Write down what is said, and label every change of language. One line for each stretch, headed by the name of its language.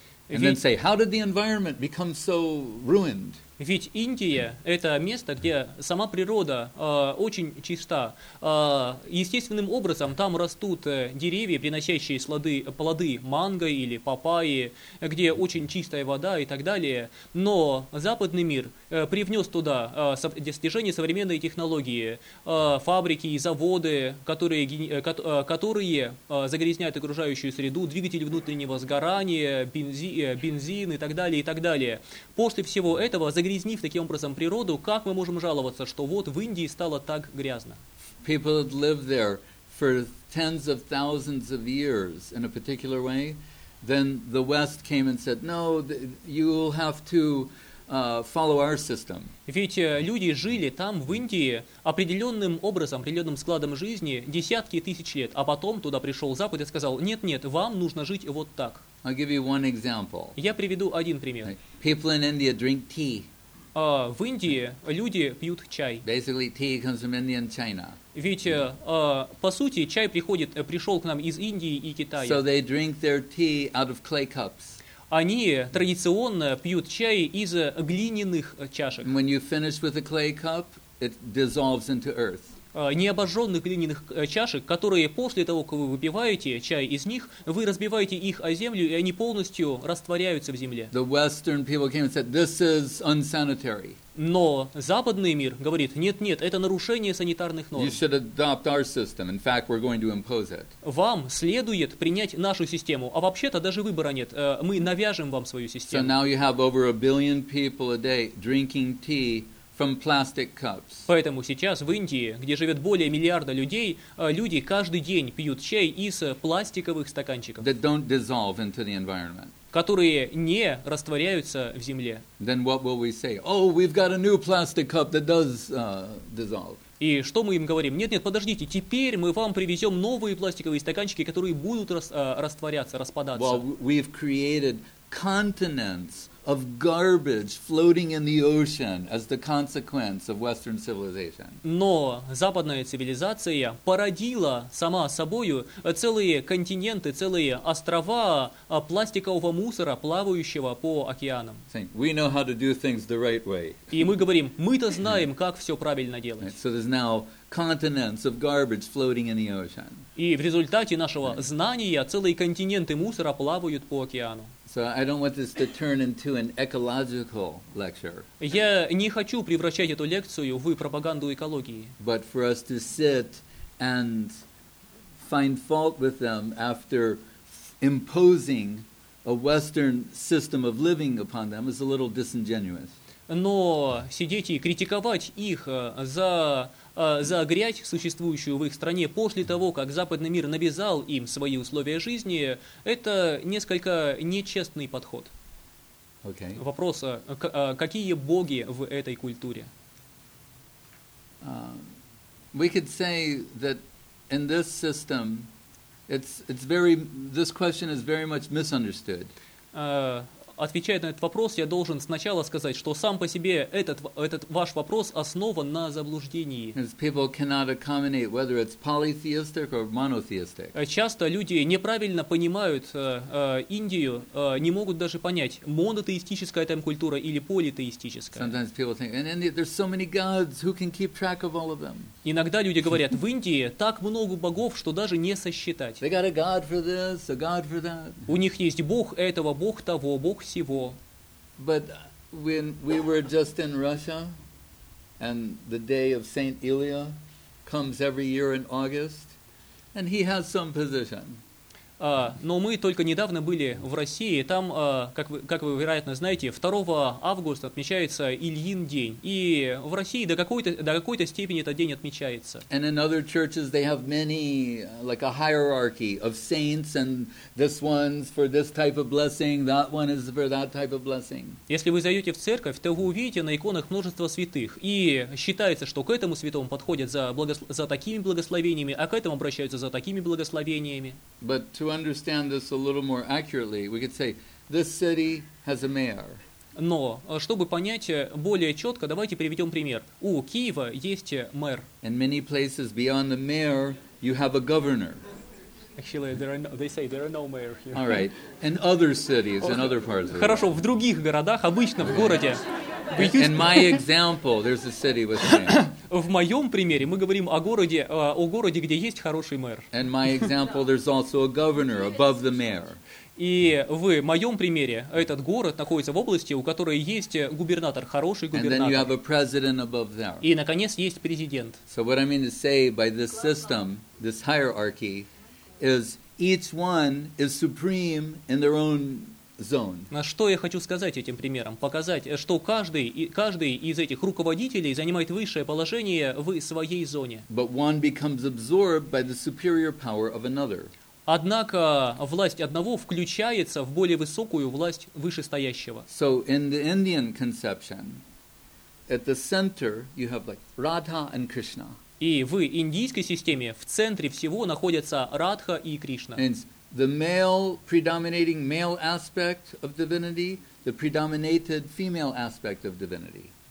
English: And then say, how did the environment become so ruined?
Russian: Ведь Индия – это место, где сама природа очень чиста. Естественным образом там растут деревья, приносящие плоды манго или папайи, где очень чистая вода и так далее. Но западный мир привнес туда достижения современной технологии, фабрики и заводы, которые загрязняют окружающую среду, двигатели внутреннего сгорания, бензин и так далее, и так далее. После всего этого загрязнив таким образом природу, как мы можем жаловаться, что вот в Индии стало так грязно?
English: People had lived there for tens of thousands of years in a particular way. Then the West came and said, no, you will have to follow our system.
Russian: Ведь люди жили там, в Индии, определенным образом, определенным складом жизни десятки тысяч лет, а потом туда пришел Запад и сказал, нет, вам нужно жить вот так.
English: I'll give you one example.
Russian: Я приведу один пример.
English: People in India drink tea.
Russian: В Индии люди пьют чай.
English: Basically, tea comes from India and China.
Russian: Ведь, по сути, чай пришел к нам из Индии и Китая.
English: So they drink their tea out of clay cups.
Russian: Они традиционно пьют чай из глиняных чашек.
English: When you finish with a clay cup, it dissolves into earth.
Russian: Необожженных глиняных чашек, которые после того, как вы выпиваете чай из них, вы разбиваете их о землю, и они полностью растворяются в земле.
English: The Western people came and said, "This is unsanitary."
Russian: Но западный мир говорит, нет, это нарушение санитарных норм.
English: You should adopt our system. In fact, we're going to impose it.
Russian: Вам следует принять нашу систему, а вообще-то даже выбора нет. Мы навяжем вам свою систему.
English: So now you have over a billion people a day drinking tea from plastic cups.
Russian: Поэтому сейчас в Индии, где живет более миллиарда людей, люди каждый день пьют чай из пластиковых стаканчиков.
English: That don't dissolve into the environment.
Russian: Которые не растворяются в земле.
English: Then what will we say? Oh, we've got a new plastic cup that does dissolve.
Russian: И что мы им говорим? Нет, подождите, теперь мы вам привезем новые пластиковые стаканчики, которые будут растворяться, распадаться.
English: Well, we've created continents of garbage floating in the ocean as the consequence of Western civilization.
Russian: Но западная цивилизация породила сама собою целые континенты, целые острова пластикового мусора, плавающего по океанам.
English: We know how to do things the right way.
Russian: И мы говорим, мы-то знаем, как все правильно делать.
English: So there's now continents of garbage floating in the ocean.
Russian: И в результате нашего знания целые континенты мусора плавают по океану.
English: So I don't want this to turn into an ecological lecture.
Russian: Я не хочу превращать эту лекцию в пропаганду экологии.
English: But for us to sit and find fault with them after imposing a Western system of living upon them is a little disingenuous.
Russian: Но сидеть и критиковать их за грязь, существующую в их стране, после того, как западный мир навязал им свои условия жизни, это несколько нечестный подход.
English: Okay.
Russian: Вопрос, какие боги в этой культуре?
English: We could say that in this system, this question is very much misunderstood.
Russian: Отвечая на этот вопрос, я должен сначала сказать, что сам по себе этот ваш вопрос основан на заблуждении.
English: People cannot accommodate whether it's polytheistic or monotheistic.
Russian: Часто люди неправильно понимают Индию, не могут даже понять, монотеистическая там культура или политеистическая.
English: Sometimes people think, in India there's so many gods, who can keep track of all of them?
Russian: Иногда люди говорят, в Индии так много богов, что даже не сосчитать.
English: They got a god for this, a god for that.
Russian: У них есть бог этого, бог того, бог всего.
English: But when we were just in Russia and the day of Saint Ilya comes every year in August and he has some position.
Russian: Но мы только недавно были в России, там, как вы вероятно знаете, 2 августа отмечается Ильин день. И в России до какой-то степени этот день отмечается.
English: And in other churches they have many, like a hierarchy of saints, and this one's for this type of blessing, that one is for that type of blessing.
Russian: Если вы зайдете в церковь, то вы увидите на иконах множество святых. И считается, что к этому святому подходят за такими благословениями, а к этому обращаются за такими благословениями.
English: To understand this a little more accurately, we could say this city has a mayor.
Russian: Но чтобы понять более четко, давайте приведем пример. У Киева есть мэр.
English: In many places beyond the mayor, you have a governor. Actually, they say there are no mayor here. All right. In other cities, in other parts of the
Russian: Хорошо, в других городах, обычно в городе.
English: In my example, there's a city with a mayor.
Russian: В моем примере мы говорим о городе, где есть хороший мэр.
English: In my example, there's also a governor above the mayor.
Russian: И в моем примере этот город находится в области, у которой есть губернатор, хороший губернатор.
English: And then you have a president above there.
Russian: И, наконец, есть президент.
English: So what I mean to say by this system, this hierarchy, is each one is supreme in their own zone.
Russian: Что я хочу сказать этим примером? Показать, что каждый из этих руководителей занимает высшее положение в своей зоне.
English: But one becomes absorbed by the superior power of another.
Russian: Однако власть одного включается в более высокую власть вышестоящего.
English: So in the Indian conception, at the center you have like Radha and Krishna.
Russian: И в индийской системе в центре всего находятся Радха и Кришна.
English: And the male predominating male aspect of divinity, the predominated female aspect of divinity.